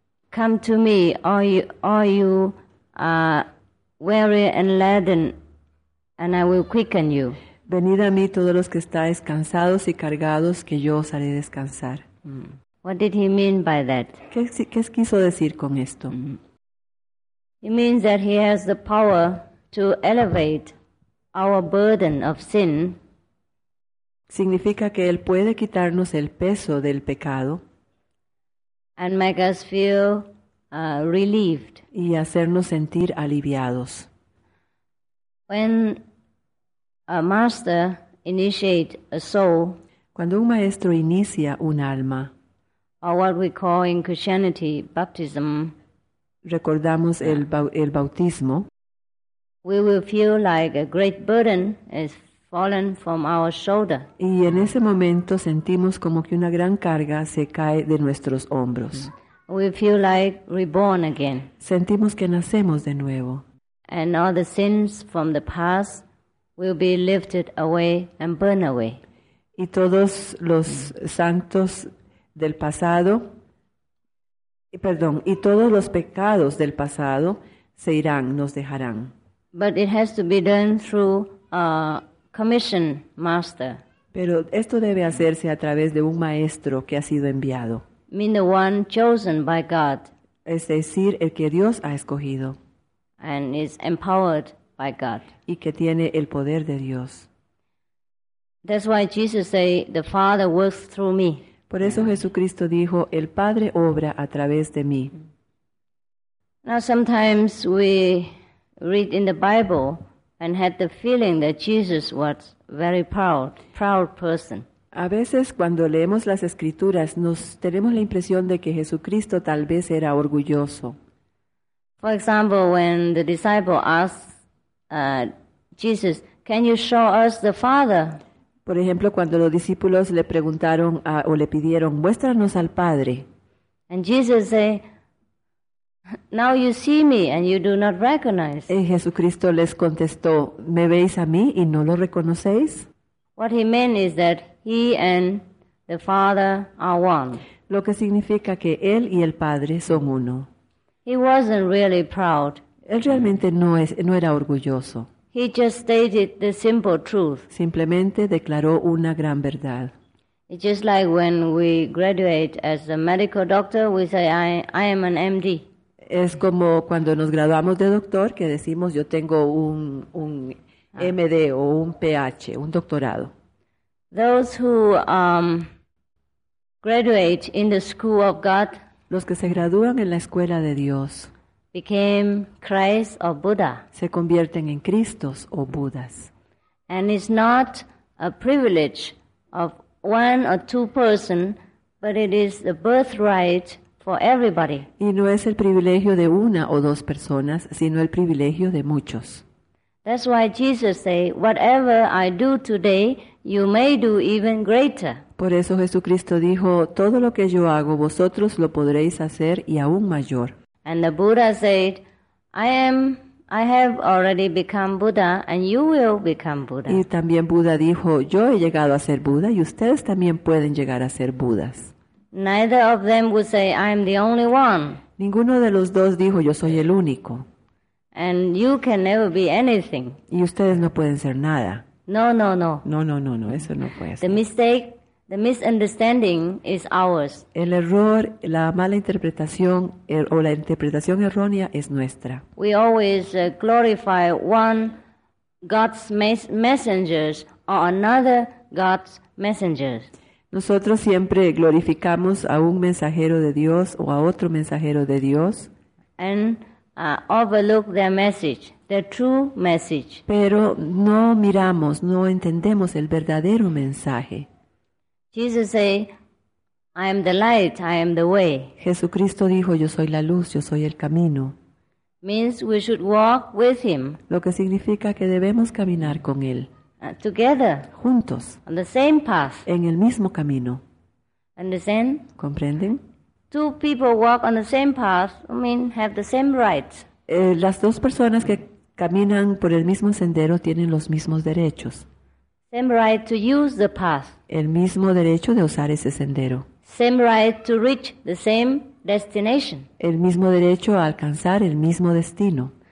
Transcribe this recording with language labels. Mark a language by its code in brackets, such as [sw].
[en] come to me, all you are weary and laden, and I will quicken you. [es] Venid a mí todos los que estáis cansados y cargados, que yo os haré descansar. [en] What did he mean by that? [es] ¿Qué quiso decir con esto? [en] He means that he has the power to elevate our burden of sin. [es] Significa que él puede quitarnos el peso del pecado. [en] And make us feel relieved. [es] Y hacernos sentir aliviados. [en] When a master initiates a soul, [es] cuando un maestro inicia un alma, [en] or what we call in Christianity baptism, [es] recordamos el bautismo, [en] we will feel like a great burden is fallen from our shoulder. [es] Y en ese momento sentimos como que una gran carga se cae de nuestros hombros. [en] We feel like reborn again. [es] Sentimos que nacemos de nuevo. [en] And all the sins from the past will be lifted away and burned away. [es] Y todos los santos del pasado, perdón, y todos los pecados del pasado se irán, nos dejarán. [en] But it has to be done through a commission master. [es] Pero esto debe hacerse a través de un maestro que ha sido enviado. [en] Mean the one chosen by God. [es] Es decir, el que Dios ha escogido. [en] And is empowered by God. [es] Y que tiene el poder de Dios. [en] That's why Jesus said, the Father works through me. [es] Por eso Jesucristo dijo, el Padre obra a través de mí. [en] Now sometimes we read in the Bible and had the feeling that Jesus was very proud person. [es] A veces cuando leemos las Escrituras nos tenemos la impresión de que Jesucristo tal vez era orgulloso. [en] For example, when the disciple asked Jesus, can you show us the Father? [es] Por ejemplo, cuando los discípulos le preguntaron o le pidieron, muéstranos al Padre. [en] And Jesus said, now you see me and you do not recognize. [es] Y Jesucristo les contestó, ¿me veis a mí y no lo reconocéis? [en] What he meant is that he and the Father are one. [es] Lo que significa que él y el Padre son uno. [en] He wasn't really proud. [es] Él realmente no era orgulloso. [en] He just stated the simple truth. [es] Simplemente declaró una gran verdad. [en] It's just like when we graduate as a medical doctor, we say, I am an MD. [es] Es como cuando nos graduamos de doctor, que decimos, yo tengo un MD o un PH, un doctorado. [en] Those who graduate in the school of God, [es] los que se gradúan en la escuela de Dios, [en] became Christ or Buddha. [es] Se convierten en Cristos o Budas. [en] And it's not a privilege of one or two person, but it is the birthright for everybody. [es] Y no es el privilegio de una o dos personas, sino el privilegio de muchos. [en] That's why Jesus said, whatever I do today, you may do even greater. [es] Por eso Jesucristo dijo, todo lo que yo hago, vosotros lo podréis hacer y aún mayor. [en] And the Buddha said, I have already become Buddha and you will become Buddha. [es] Y también Buda dijo, yo he llegado a ser Buda y ustedes también pueden llegar a ser Budas. [en] Neither of them would say, I am the only one. [es] Ninguno de los dos dijo, yo soy el único. [en] And you can never be anything. [es] Y ustedes no pueden ser nada. [en] No, no, no. [es] No, no, no, no, eso no puede ser. [en] The misunderstanding is ours. [es] El error, la mala interpretación o la interpretación errónea es nuestra. [en] We always glorify one God's messengers or another God's messengers. [es] Nosotros siempre glorificamos a un mensajero de Dios o a otro mensajero de Dios. [en] And overlook their message, their true message. [es] Pero no miramos, no entendemos el verdadero mensaje. [en] Jesus said, I am the light, I am the way. [es] Jesucristo dijo, yo soy la luz, yo soy el camino. [en] Means we should walk with him. [es] Lo que significa que debemos caminar con él. [en] Together. [es] Juntos. [en] On the same path. [es] En el mismo camino. [en] Understand? [es] ¿Comprenden? [en] Two people walk on the same path, I mean, have the same rights. [es] Las dos personas que caminan por el mismo sendero tienen los mismos derechos. [en] Same right to use the path. [es] El mismo derecho de usar ese sendero. [en] Same right to reach the same destination. [es] El mismo derecho a alcanzar el mismo destino.